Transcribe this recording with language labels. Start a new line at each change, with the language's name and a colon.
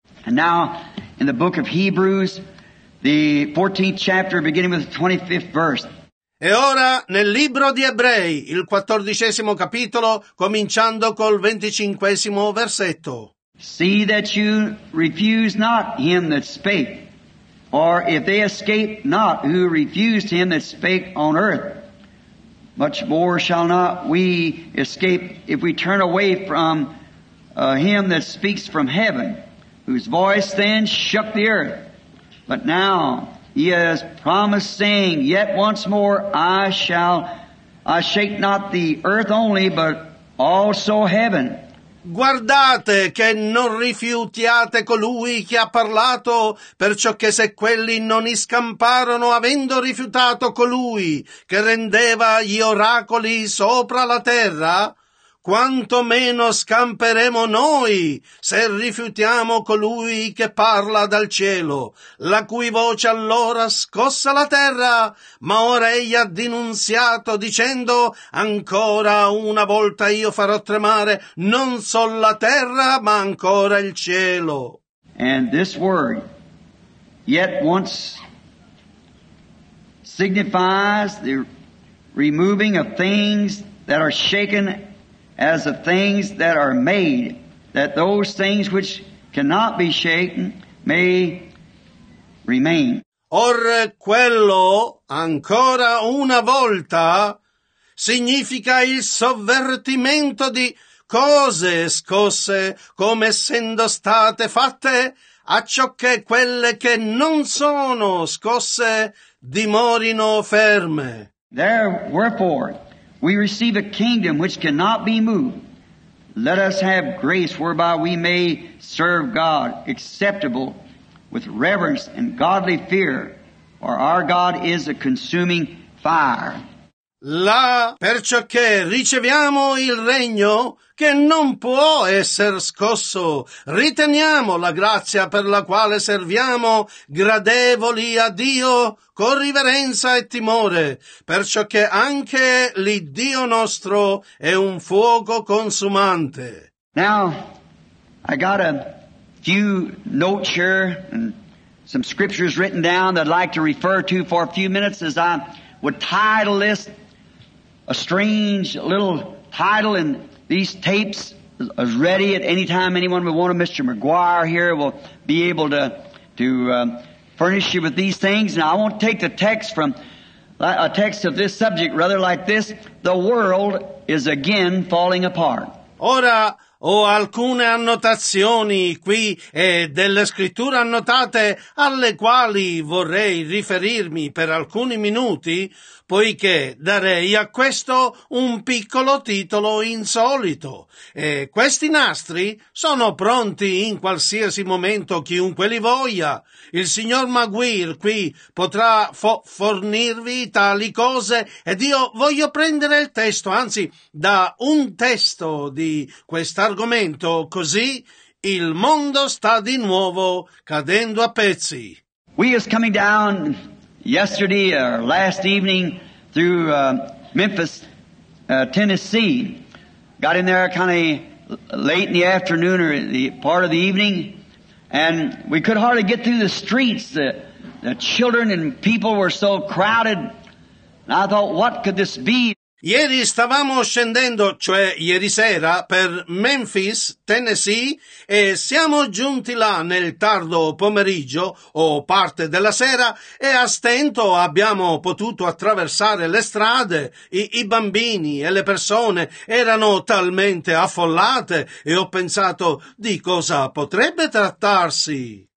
English: And now, in the book of Hebrews, the 14th chapter, beginning with the 25th verse.
Italian: E ora nel libro di Ebrei, il 14° capitolo, cominciando col 25° versetto.
English: See that you refuse not him that spake, or if they escape not who refused him that spake on earth, much more shall not we escape if we turn away from him that speaks from heaven, whose voice then shook the earth. But now he has promised, saying, yet once more I shake not the earth only, but also heaven.
Italian: Guardate che non rifiutiate colui che ha parlato, perciò che se quelli non scamparono avendo rifiutato colui che rendeva gli oracoli sopra la terra, quanto meno scamperemo noi se rifiutiamo colui che parla dal cielo, la cui voce allora scossa la terra, ma ora egli ha dinunziato dicendo, ancora una volta io farò tremare non solo la terra ma ancora il cielo.
English: And this word, yet once, signifies the removing of things that are shaken as the things that are made, that those things which cannot be shaken may remain.
Italian: Or quello, ancora una volta, significa il sovvertimento di cose scosse come essendo state fatte, a ciò che quelle che non sono scosse dimorino ferme.
English: There, wherefore, we receive a kingdom which cannot be moved. Let us have grace whereby we may serve God acceptable with reverence and godly fear, for our God is a consuming fire.
Italian: Là, perciò che riceviamo il regno che non può essere scosso, riteniamo la grazia per la quale serviamo gradevoli a Dio con riverenza e timore, perciò che anche l'Iddio nostro è un fuoco consumante.
English: Now, I got a few notes here and some scriptures written down that I'd like to refer to for a few minutes as I would title this. A strange little title in these tapes is ready at any time anyone would want to. Mr. McGuire here will be able to furnish you with these things. Now I want to take the text from a text of this subject rather like this. The world is again falling apart.
Italian: Ora ho alcune annotazioni qui e delle scritture annotate alle quali vorrei riferirmi per alcuni minuti, poiché darei a questo un piccolo titolo insolito. E questi nastri sono pronti in qualsiasi momento chiunque li voglia. Il signor Maguire qui potrà fornirvi tali cose ed io voglio prendere il testo, anzi da un testo di quest'argomento, così il mondo sta di nuovo cadendo a pezzi.
English: We is coming down yesterday or last evening through Memphis, Tennessee. Got in there kind of late in the afternoon or the part of the evening, and we could hardly get through the streets. The children and people were so crowded, and I thought, what could this be?
Italian: Ieri stavamo scendendo, cioè ieri sera, per Memphis, Tennessee, e siamo giunti là nel tardo pomeriggio o parte della sera e a stento abbiamo potuto attraversare le strade. I bambini e le persone erano talmente affollate e ho pensato di cosa potrebbe trattarsi.